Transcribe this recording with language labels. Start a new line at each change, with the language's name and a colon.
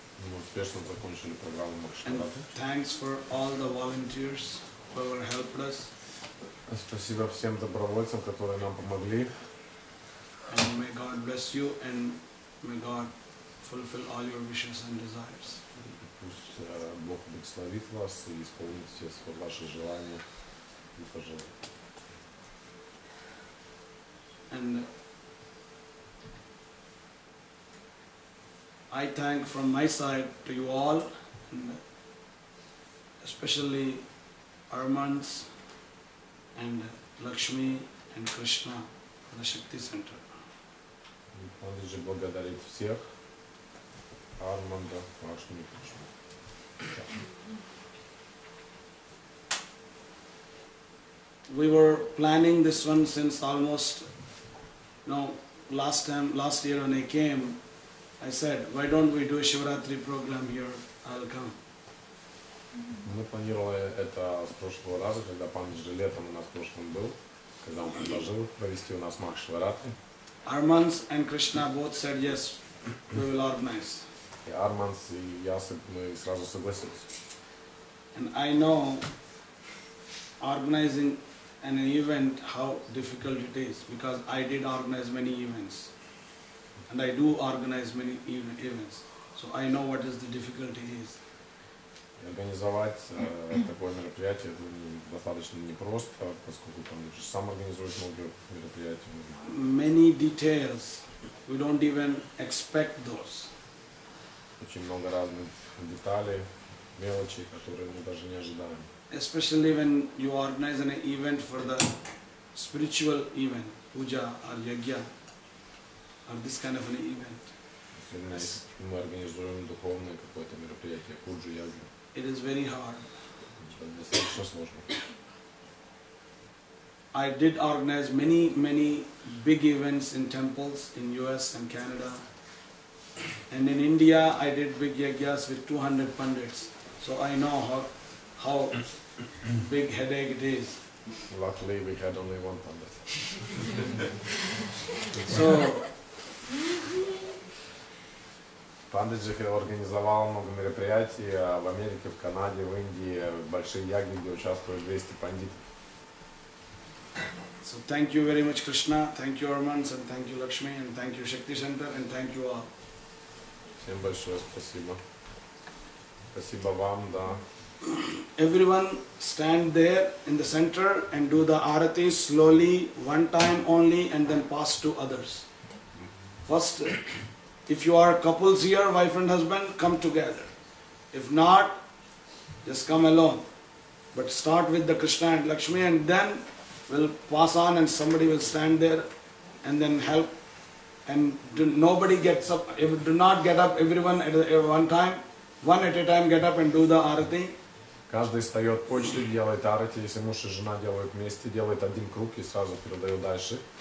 Russian: Мы успешно закончили программу Махашиваратри.
English: And thanks for all the volunteers who have helped us.
Russian: Спасибо всем добровольцам, которые нам помогли.
English: And may God bless you and may God fulfill all your wishes and desires.
Russian: Пусть Бог благословит вас и исполнит все ваши желания и пожелания.
English: And I thank from my side to you all, and especially Armands and Lakshmi and Krishna for the Shakti Center.
Russian: Пандиджи благодарит всех, Арманда, Лакшми и Кришна.
English: We were planning this one since almost. No, last time, last year when I came, I said, why don't we do a Shivaratri program here? I'll come.
Russian: Мы планировали это с прошлого раза, когда Пандиджи летом у нас в прошлом был, когда он предложил провести у нас Махашиваратри.
English: Armands and Krishna both said yes, we will organize.
Russian: И Armands и я сразу согласились.
English: And I know organizing and an event, how difficult it is, because I did organize many events, and I do organize many events, so I know what is the difficulty is.
Russian: Организовать такое мероприятие достаточно непросто, поскольку там лучше сам организовать много мероприятий.
English: Many details, we don't even expect those.
Russian: Очень много разных деталей, мелочей, которые мы даже не ожидаем.
English: Especially when you organize an event for the spiritual event, puja or yagya, or this kind of an event.
Russian: Мы организуем духовное какое-то мероприятие, пуджу, ягью.
English: It is very hard.
Russian: Достаточно сложно.
English: I did organize many, many big events in temples in US and Canada. And in India, I did big yagyas with 200 pandits. So I know how big headache it is. Luckily, we had only one pandit. So,
Russian: Pandit же организовал много мероприятий в Америке, в Канаде, в Индии, большие ягни, где участвуют 200 пандитов.
English: So, thank you very much, Krishna. Thank you, Armands, and thank you, Lakshmi, and thank you, Shakti Center, and thank you all.
Russian: Всем большое спасибо. Спасибо вам, да.
English: Everyone stand there in the center and do the arati slowly, one time only, and then pass to others. First, if you are couples here, wife and husband, come together. If not, just come alone. But start with the Krishna and Lakshmi and then we'll pass on and somebody will stand there and then help. And nobody gets up, if do not get up, everyone at one time, one at a time get up and do the arati.
Russian: Каждый встает по очереди, делает арати, если муж и жена делают вместе, делает один круг и сразу передает дальше.